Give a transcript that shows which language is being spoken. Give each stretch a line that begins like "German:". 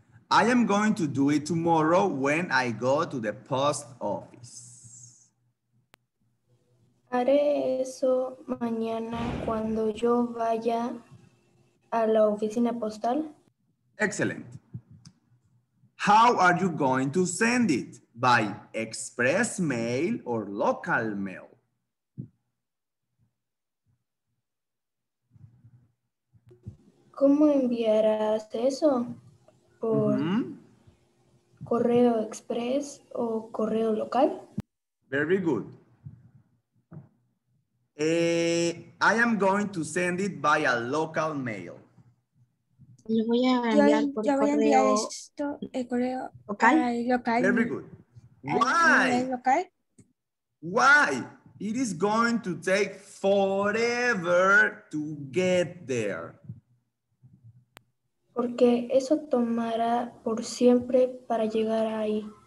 English: I am going to do it tomorrow when I go to the post office.
Spanish: Haré eso mañana cuando yo vaya a la oficina postal.
English: Excellent. How are you going to send it? By express mail or local mail?
Spanish: ¿Cómo enviarás eso? ¿Por correo express o correo local?
English: Very good. I am going to send it by a local mail.
Spanish: Le voy a enviar esto, el correo local. Local.
English: Very good. Why? Why? It is going to take forever to get there.
Spanish: Porque eso tomará por siempre para llegar ahí.